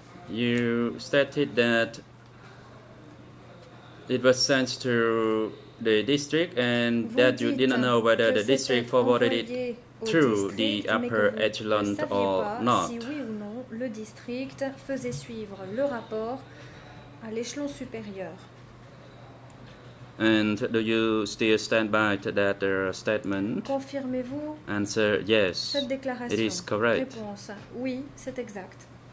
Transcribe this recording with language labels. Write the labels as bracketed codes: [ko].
[en] you stated that it was sent to the district and [fr] vous [en] that you did not know whether the district forwarded it to the upper echelon or not. [fr] Si oui ou non, le district faisait suivre le rapport à l'échelon supérieur. [en] And do you still stand by to that statement? [fr] Confirmez-vous [en] answer, yes, [fr] cette déclaration? [en] It is correct. [fr] Réponse, oui, c'est exact.